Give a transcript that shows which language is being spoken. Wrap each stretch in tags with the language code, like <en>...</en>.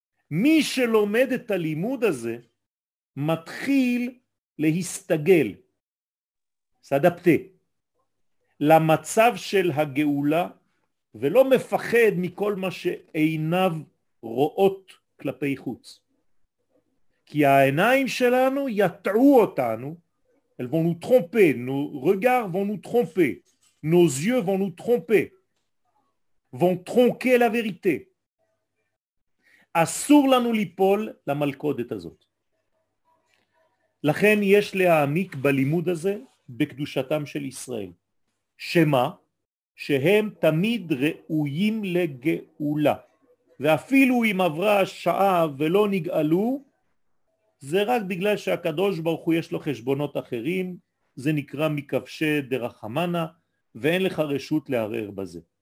<he>מי שלומד את הלימוד הזה, מתחיל להסתגל, סדפתי, למצב של הגאולה, ולא מפחד מכל מה שעיניו רואות כלפי חוץ. כי העיניים שלנו יטעו אותנו,</he> <fr>elles vont nous tromper, nos regards vont nous tromper, nos yeux vont nous tromper, vont tronquer la vérité.</fr> <he>אסור לנו ליפול למלכודת הזאת. לכן יש להעמיק בלימוד הזה בקדושתם של ישראל. שמה? שהם תמיד ראויים לגאולה. ואפילו אם עברה שעה ולא נגאלו, זה רק בגלל שהקדוש ברוך הוא יש לו חשבונות אחרים, זה נקרא מכבשי דרחמנה, ואין לך רשות לערער בזה.</he>